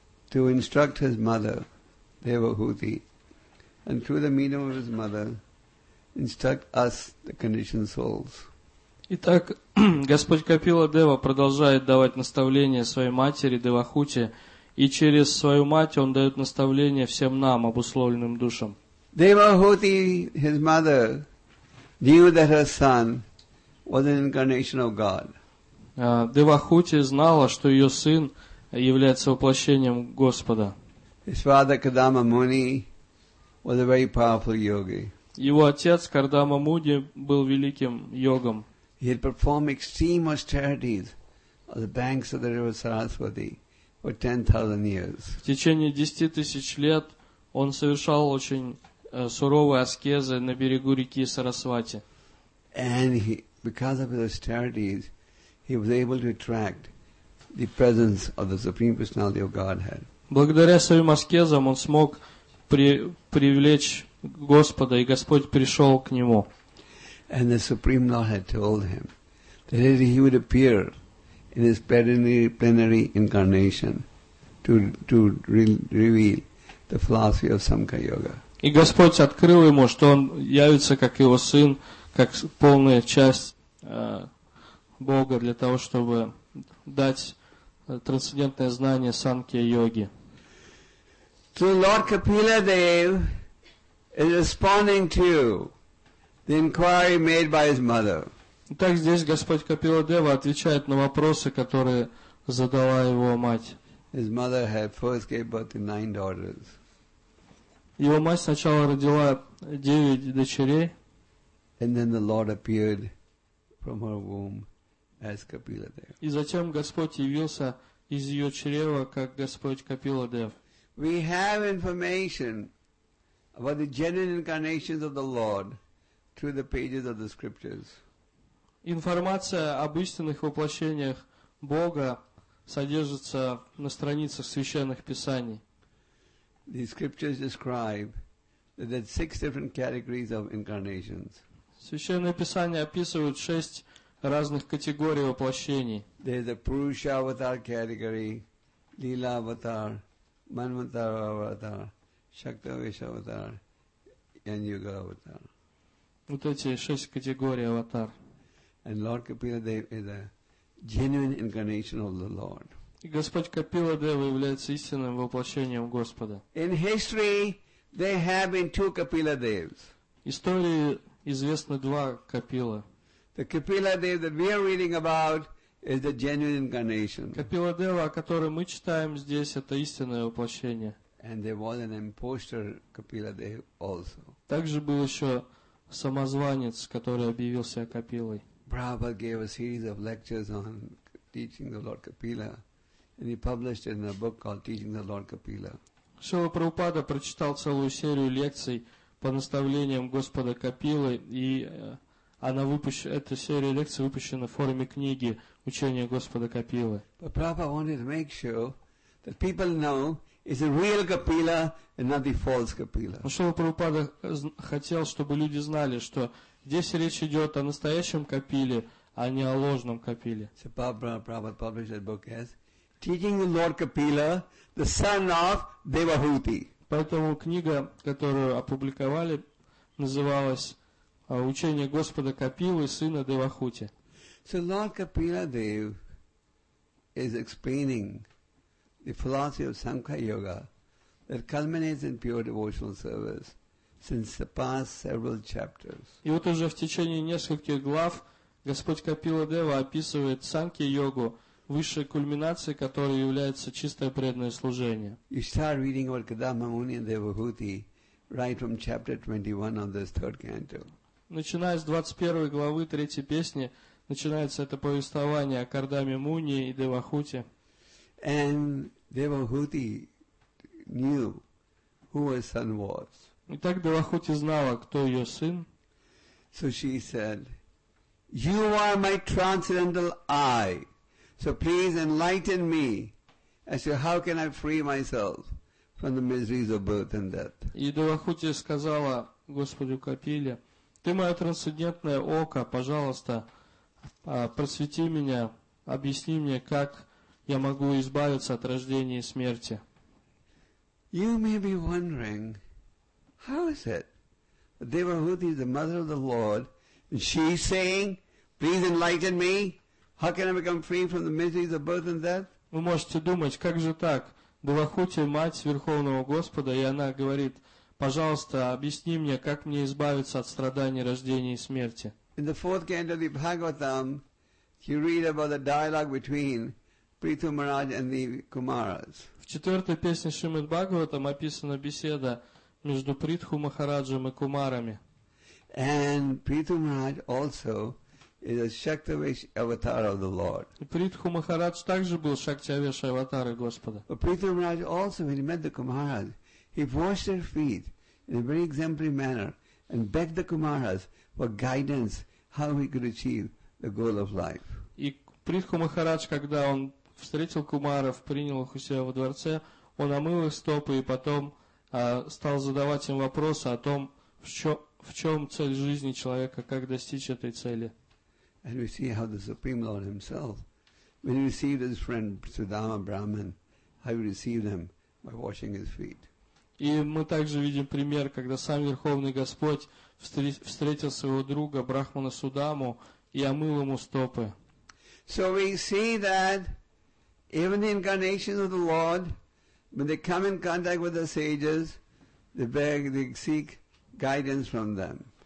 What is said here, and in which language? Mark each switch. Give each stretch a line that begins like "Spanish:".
English: to instruct his mother, Devahuti, and through the medium of his mother, instruct us, the conditioned souls.
Russian: Итак, Господь Капила Дева продолжает давать наставления своей матери Девахути, и через свою мать он дает наставления всем нам, обусловленным душам.
English: Devahuti, his mother, knew that her son was an incarnation of God.
Russian: Девахути знала, что ее сын является воплощением Господа.
English: His father, Kadama Muni, was a very powerful yogi.
Russian: Его отец, Кардама Муни, был великим йогом.
English: He had performed extreme austerities on the banks of the river Sarasvati for 10,000 years.
Russian: В течение 10,000 лет он совершал очень суровые аскезы на берегу реки Сарасвати.
English: And he, because of his austerities, he was able to attract the presence of the Supreme Personality of Godhead.
Russian: Благодаря своим аскезам он смог привлечь Господа, и Господь пришел к нему.
English: And the Supreme Lord had told him that he would appear in his plenary incarnation to reveal the philosophy of Samkhya Yoga.
Russian: И Господь открыл ему, что он явится как его сын, как полная часть Бога для того, чтобы дать трансцендентное знание Самкхья Йоги.
English: So Lord Kapila Dev is responding to the inquiry made by his mother.
Russian: Так здесь Господь Капила Дева отвечает на вопросы, которые задала его мать.
English: His mother had first gave birth to 9 daughters.
Russian: Его мать сначала родила 9 дочерей.
English: And then the Lord appeared from her womb as Kapila Dev.
Russian: И затем Господь явился из ее чрева как Господь Капила Дев.
English: We have information about the genuine incarnations of the Lord through the pages of the scriptures.
Russian: Информация об истинных воплощениях Бога содержится на страницах священных писаний.
English: The scriptures describe that there are 6 different categories of incarnations.
Russian: Священные писания описывают 6 разных категорий воплощений.
English: There is a Purusha avatar category, Lila avatar, Manvantara avatar, Shaktavesha avatar, and Yuga avatar.
Russian: Вот эти 6 категорий аватар.
English: And Lord Kapila Dev is a genuine incarnation of the Lord.
Russian: И Господь Капила Дева является истинным воплощением Господа.
English: In history, there have been 2 Kapila Devs.
Russian: Истории известны 2 Капила.
English: The Kapila Dev that we are reading about is the genuine incarnation.
Russian: Капила Дева, о котором мы читаем здесь, это истинное воплощение.
English: And there was an imposter Kapila Dev also.
Russian: Также был еще самозванец, который объявил себя Капилой.
English: Prabhupada gave a series of lectures on teaching the Lord Kapila, and he published it in a book called Teaching the Lord Kapila.
Russian: Шрила Прабхупада прочитал целую серию лекций по наставлениям Господа Капилы, и эта серия лекций выпущена в форме книги «Учение Господа Капилы».
English: But Prabhupada wanted to make sure that people know it's a real Kapila and not the false Kapila.
Russian: Шрила Прабхупада хотел, чтобы люди знали, что здесь речь идет о настоящем Капиле, а не о ложном Капиле.
English: So Prabhupada published that book as Teaching the Lord Kapila, the son of Devahuti.
Russian: Поэтому книга, которую опубликовали, называлась «Учение Господа Капилы, сына Девахути».
English: So Lord Kapila Dev is explaining the philosophy of Samkhya Yoga that culminates in pure devotional service since the past several chapters.
Russian: И вот уже в течение нескольких глав Господь Капила Дева описывает Самкхья Йогу, высшей кульминацией которой является чистое преданное служение.
English: You start reading about Kadama Muni and Devahuti right from chapter 21 of this third canto.
Russian: Начиная с 21 главы третьей песни, начинается это повествование о Кардаме Муни и Девахути.
English: And Devahuti knew who her son was.
Russian: И так Девахути знала, кто ее сын.
English: So she said, "You are my transcendental eye. So please enlighten me as to how can I free myself from the miseries of birth and death."
Russian: И Девахути сказала Господу Капиле, "Ты мое трансцендентное око, пожалуйста, просвети меня, объясни мне, как я могу избавиться от рождения и смерти."
English: You may be wondering, how is it? Devahuti is the mother of the Lord, and she's saying, please enlighten me. How can I become free from the miseries of birth and death?
Russian: Вы можете думать, как же так? Девахути, мать Верховного Господа, и она говорит, пожалуйста, объясни мне, как мне избавиться от страданий рождения и смерти.
English: In the fourth canto of the Bhagavatam, you read about the dialogue between Prithu Maharaj and the Kumaras.
Russian: В четвертой песне Шримад Бхагаватам описана беседа между Притху Махараджем и Кумарами.
English: And Prithu Maharaj also is a Shaktavesh avatar of the Lord.
Russian: Притху Махарадж также был Шактявеш аватара Господа.
English: But Prithu Maharaj also, when he met the Kumaras, he washed their feet in a very exemplary manner and begged the Kumaras for guidance how he could achieve the goal of life.
Russian: И Притху Махарадж, когда он встретил Кумаров, принял их у себя во дворце, он омыл их стопы и потом стал задавать им вопросы о том, в чем цель жизни человека, как достичь этой цели.
English: And we see how the Supreme Lord himself, when he received his friend Sudama Brahman, how he received him by washing his feet.
Russian: И мы также видим пример, когда сам Верховный Господь встретил своего друга Брахмана Судаму и омыл ему стопы.
English: So we see that even the incarnations of the Lord, when they come in contact with the sages, they beg, they seek guidance from them.